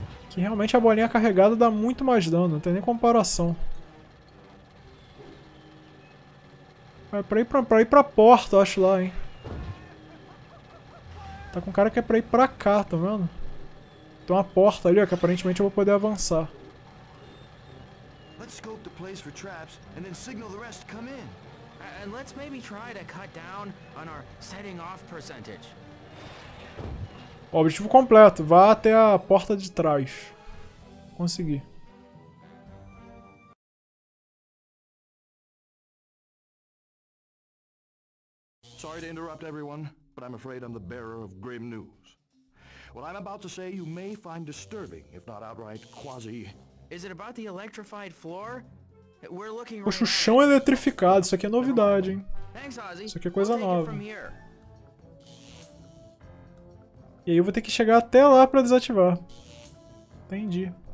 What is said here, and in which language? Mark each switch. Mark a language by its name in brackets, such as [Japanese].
[Portuguese] Que realmente a bolinha carregada dá muito mais dano, não tem nem comparação. É pra ir pra porta, eu acho lá, hein. Tá com cara que é pra ir pra cá, tá vendo? Tem uma porta ali, ó, que aparentemente eu vou poder avançar. Vamos [English] scope the place for traps and then signal the rest to come in. And let's maybe try to cut down on our setting off percentage. [Portuguese] Objetivo completo. Vá até a porta de trás. Consegui. [English] Sorry to interrupt everyone, but I'm afraid I'm the bearer of grim news. What I'm about to say you may find disturbing, if not outright quasi. Is it about the electrified floor? [Portuguese] Poxa, o chão é eletrificado, isso aqui é novidade, hein? Isso aqui é coisa nova. E aí eu vou ter que chegar até lá pra desativar. Entendi.